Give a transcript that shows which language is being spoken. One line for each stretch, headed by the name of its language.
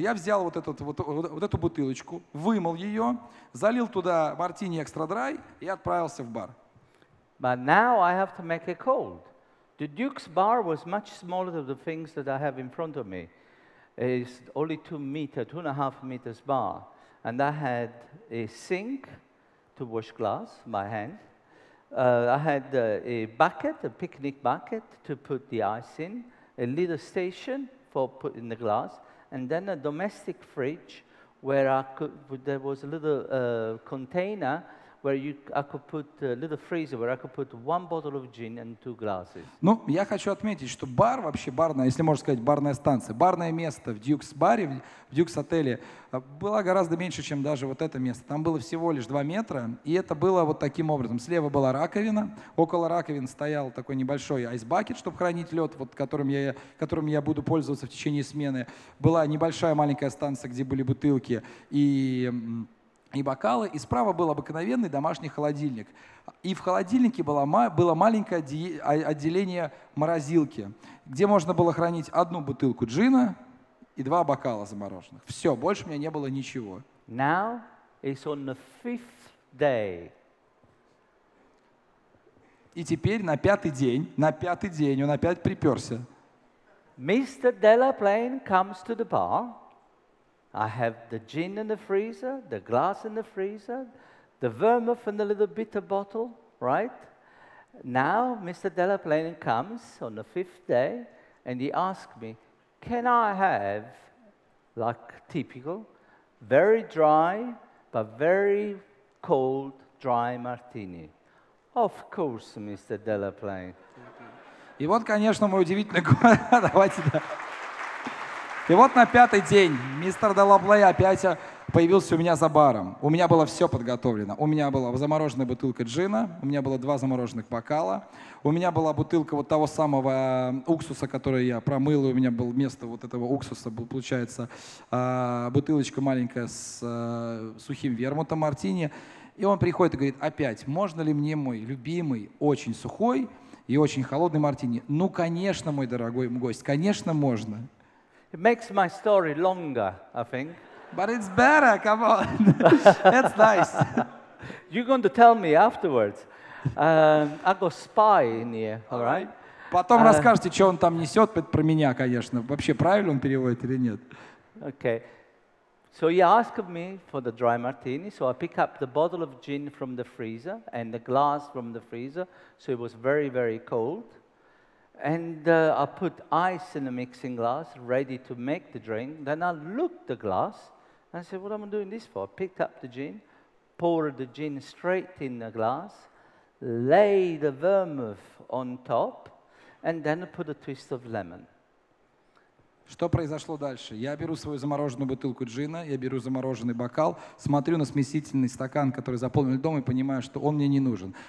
Russian: Я взял вот эту бутылочку, вымыл ее, залил туда мартини экстра драй и отправился в бар.
English: But now I have to make it cold. The Duke's bar was much smaller than the things that I have in front of me. It's only 2.5 meters bar. And I had a sink to wash glass by hand. I had a bucket, a picnic bucket, to put the ice in, a little station for putting the glass, and then a domestic fridge where I could, there was a little container where I could put a little freezer where I could put one bottle of gin and two glasses.
Russian: Ну, я хочу отметить, что бар, вообще барная, если можно сказать, барная станция, барное место в Duke's баре, в Duke's отеле, было гораздо меньше, чем даже вот это место. Там было всего лишь 2 метра, и это было вот таким образом. Слева была раковина, около раковины стоял такой небольшой айсбакет, чтобы хранить лед, вот которым я буду пользоваться в течение смены. Была небольшая маленькая станция, где были бутылки и бокалы, и справа был обыкновенный домашний холодильник. И в холодильнике было маленькое отделение морозилки, где можно было хранить одну бутылку джина и 2 бокала замороженных. Все, больше у меня не было ничего.
English: Now it's on the fifth day.
Russian: И теперь на пятый день он опять приперся.
English: Mr. Delaplane comes to the bar. I have the gin in the freezer, the glass in the freezer, the vermouth in the little bitter bottle, right? Now, Mr. Delaplane comes on the fifth day, and he asks me, can I have, like typical, very dry, but very cold, dry martini? Of course, Mr. Delaplane.
Russian: И вот, конечно, мой удивительный город. Давайте, да. И вот на пятый день мистер Делаплей опять появился у меня за баром. У меня было все подготовлено. У меня была замороженная бутылка джина, у меня было два замороженных бокала, у меня была бутылка вот того самого уксуса, который я промыл, и у меня было место вот этого уксуса, получается, бутылочка маленькая с сухим вермутом мартини. И он приходит и говорит: опять, можно ли мне мой любимый, очень сухой и очень холодный мартини? Ну, конечно, мой дорогой гость, конечно, можно.
English: It makes my story longer, I think. But it's better, come on. That's nice. You're going to tell me afterwards. I got spy in here, all right?
Russian: Потом расскажете, что он там несет про меня, конечно. Вообще, правильно он переводит или нет?
English: Okay. So he asked me for the dry martini, so I pick up the bottle of gin from the freezer and the glass from the freezer, so it was very, very cold. And I put ice in the mixing glass, ready to make the drink. Then I looked the glass and I said, what am I doing this for? I picked up the gin, poured the gin straight in the glass, laid the vermouth on top, and then I put a twist of lemon.
Russian: Что произошло дальше? Я беру свою замороженную бутылку джина, я беру замороженный бокал, смотрю на смесительный стакан, который заполнен льдом, и понимаю, что он мне не нужен.